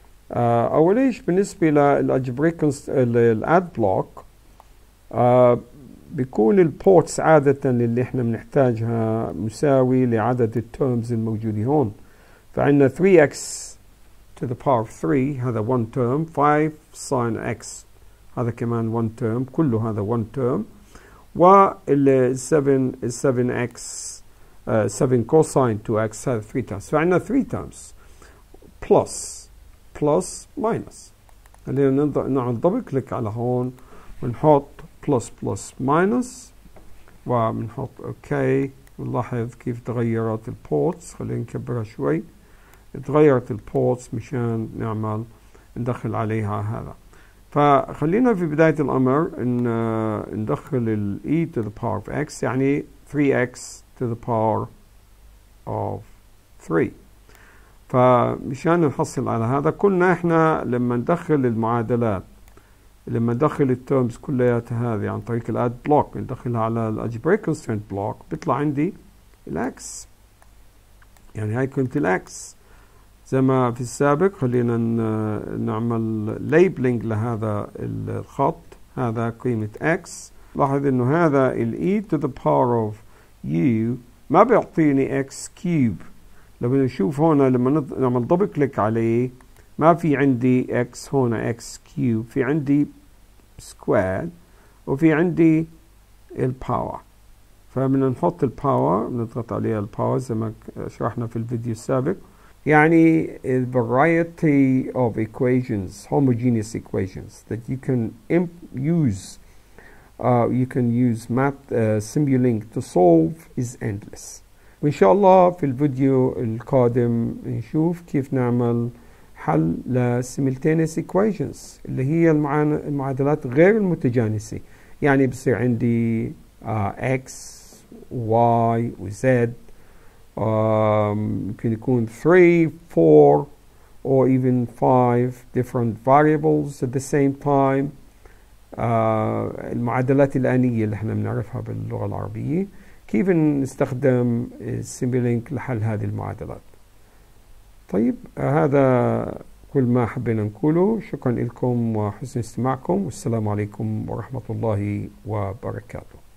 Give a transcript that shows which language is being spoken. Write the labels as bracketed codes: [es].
[ar] أول إيش بالنسبة للالجبريك الاد بلوك بيكون البورتس عادة اللي إحنا بنحتاجها مساوي لعدد الترمز الموجودة هون. فعندنا 3x to the power of 3 هذا one term، 5 sin x هذا كمان one term، كله هذا one term، وال 7x 7 cosine 2x هذا 3 terms. فعندنا 3 terms plus plus minus. خلينا نعمل دبل كليك على هون ونحط plus plus minus ونحط اوكي. نلاحظ كيف تغيرت البورتس. خلينا نكبرها شوي. تغيرت البورتس مشان نعمل ندخل عليها هذا. فخلينا في بداية الأمر ندخل ال e to the power of x يعني 3x to the power of 3. فمشان نحصل على هذا كلنا احنا لما ندخل المعادلات لما ندخل الترمز كليات هذه عن طريق الاد بلوك ندخلها على الالجبريك كونستنت بلوك بيطلع عندي الاكس. يعني هاي كنت الاكس زي ما في السابق. خلينا نعمل ليبلينج لهذا الخط. هذا قيمة اكس. لاحظ انه هذا ال e to the power of u ما بيعطيني اكس كيوب. لو نشوف هنا لما نعمل دبل كليك عليه ما في عندي x هنا x كيوب، في عندي سكوير وفي عندي الباور. فمن نحط الباور نضغط عليها الباور زي ما شرحنا في الفيديو السابق. [en] يعني the variety of equations homogeneous equations that you can use you can use math SIMULINK to solve is endless. [ar] وإن شاء الله في الفيديو القادم نشوف كيف نعمل حل لـ simultaneous equations اللي هي المعادلات غير المتجانسة. يعني بصير عندي x y و z ممكن يكون 3 4 [en] or even 5 different variables at the same time. [ar] المعادلات الآنية اللي احنا بنعرفها باللغة العربية كيف نستخدم SIMULINK لحل هذه المعادلات. طيب هذا كل ما حبينا نقوله. شكرا لكم وحسن استماعكم، والسلام عليكم ورحمة الله وبركاته.